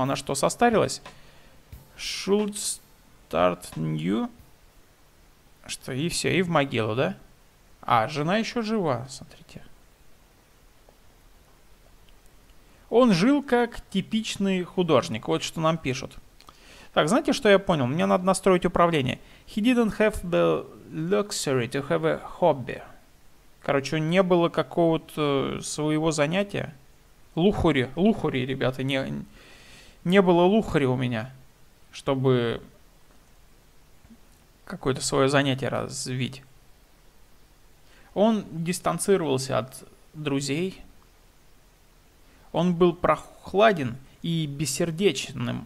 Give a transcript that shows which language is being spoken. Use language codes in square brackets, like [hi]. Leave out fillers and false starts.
[ru] Она что, состарилась? [en] Should start new. [ru] Что, и все, и в могилу, да? А, жена еще жива, смотрите. Он жил как типичный художник. Вот что нам пишут. Так, знаете, что я понял? Мне надо настроить управление. [en] He didn't have the luxury to have a hobby. [ru] Короче, не было какого-то своего занятия. Лухари, ребята. Не было лухари у меня, чтобы какое-то свое занятие развить. Он дистанцировался от друзей. Он был прохладен и бессердечным.